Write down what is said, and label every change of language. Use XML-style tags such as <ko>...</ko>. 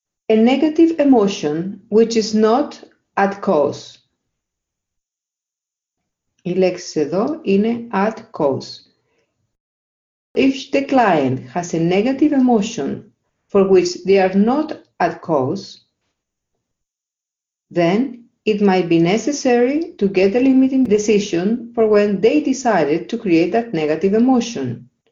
<en>A negative emotion which is not at cause.</en> <el>Η λέξη εδώ είναι at cause.</el> <en>If the client has a negative emotion for which they are not at cause, then it might be necessary to get a limiting decision for when they decided to create that negative emotion.</en>